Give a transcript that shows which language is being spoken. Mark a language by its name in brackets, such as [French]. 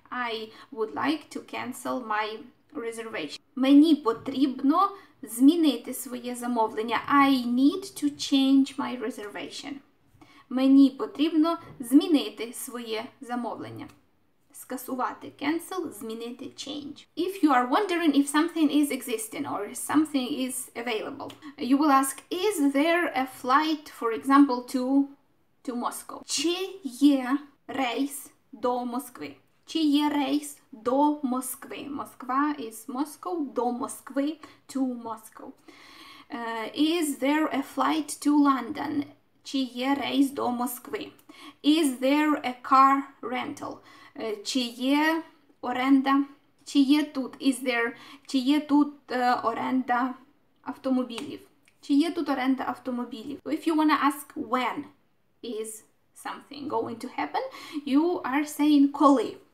[English] I would like to cancel my reservation. [Ukrainian] Мені потрібно змінити своє замовлення. [English] I need to change my reservation. [Ukrainian] Мені потрібно змінити своє замовлення. Скасувати, cancel, змінити, change. [English] If you are wondering if something is existing or something is available, you will ask, is there a flight, for example, to Moscow. [Ukrainian] Чи є рейс до Москви? Чи є рейс до Москви? Москва [English] is Moscow, [Ukrainian] до Москви, [English] to Moscow. Is there a flight to London? [Ukrainian] Чи є рейс до Москви? [English] Is there a car rental? [Ukrainian] Чи є оренда? Чи є тут? [English] Is there? [Ukrainian] Чи є тут оренда автомобілів? Чи є тут оренда автомобілів? [English] If you want to ask when is something going to happen, you are saying коли.